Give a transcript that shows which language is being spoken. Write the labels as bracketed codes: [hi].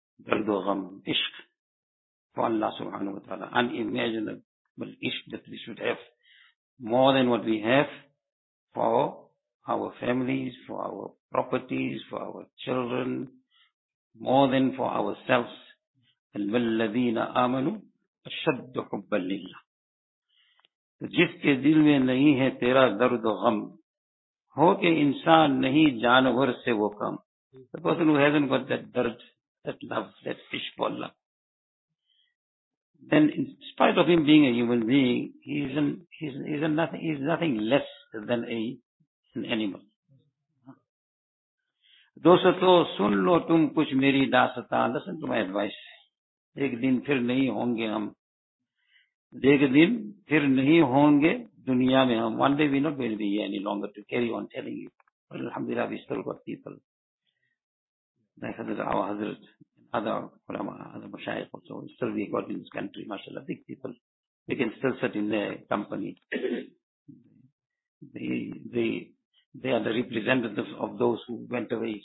[ur] درد و غم عشق اللہ سبحانہ و تعالی [en] Unimaginable عشق that we should have more than what we have for our families, for our properties, for our children, more than for ourselves. [ar] الذین آمنوا اشد حبا للہ. [ur] جس کے دل میں نہیں ہے تیرا درد و غم, ہو کہ انسان نہیں جانور سے وہ کم. [en] The person who hasn't got that درد, that love, that fish for Allah, then in spite of him being a human being, he is nothing less than an animal. [ur] دوستو سن لو تم کچھ میری داستان, [en] listen to my advice. [ur] ایک دن پھر نہیں ہوں گے ہم, ایک دن پھر نہیں ہوں گے دنیا میں ہم. [en] One day we not will be any longer to carry on telling you. But alhamdulillah we still got people. Like our Hazrat, other ulama, other mashayikh also, still we got in this country, mashallah, big people. We can still sit in their company. They are the representatives of those who went away.